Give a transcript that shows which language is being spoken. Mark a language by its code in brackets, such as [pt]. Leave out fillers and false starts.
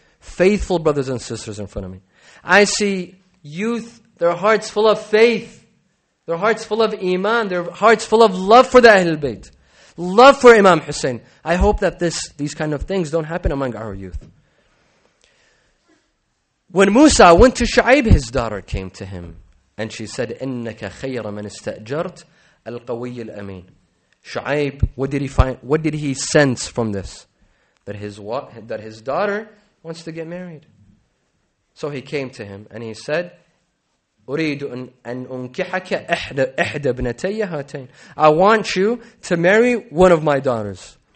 [en] faithful brothers and sisters in front of me. I see youth, their hearts full of faith. Their hearts full of iman. Their hearts full of love for the Ahlul Bayt. Love for Imam Hussein. I hope that these kind of things don't happen among our youth. When Musa went to Shu'aib, his daughter came to him. And she said, [ar] إِنَّكَ خَيْرَ مَنِ اسْتَأْجَرْتَ الْقَوِيِّ الْأَمِينَ. [en] Shu'aib, what did he find? What did he sense from this? That his daughter wants to get married. So he came to him and he said, [ar] أُرِيدُ أَنْ أُنْكِحَكَ أَحْدَ بْنَتَيَّ هَاتَيْنَ. [en] I want you to marry one of my daughters.